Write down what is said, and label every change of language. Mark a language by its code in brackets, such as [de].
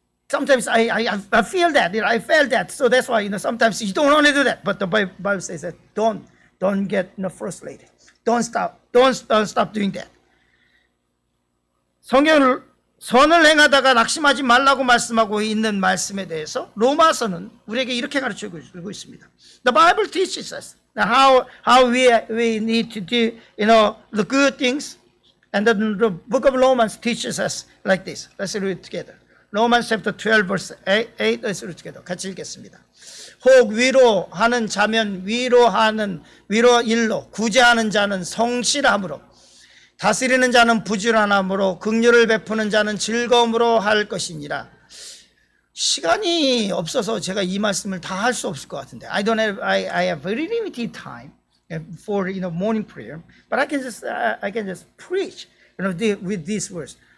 [en] Sometimes I feel that. So that's why you know sometimes you don't want to do that. But the Bible says that don't get frustrated. Don't stop doing that. [ko] 성경을 선을 행하다가 낙심하지 말라고 말씀하고 있는 말씀에 대해서 로마서는 우리에게 이렇게 가르쳐 주고 있습니다. [en] The Bible teaches us how we need to do you know the good things, and then the book of Romans teaches us like this. Let's read it together. Romans chapter 12 verse 8. Let's read it together. [ko] 같이 읽겠습니다. 혹 위로하는 자면 위로하는 위로 일로 구제하는 자는 성실함으로 다스리는 자는 부지런함으로 긍휼을 베푸는 자는 즐거움으로 할 것이니라. 시간이 없어서 제가 이 말씀을 다 할 수 없을 것 같은데. [en] I have very limited time for you know morning prayer, but I can just preach you know with these words.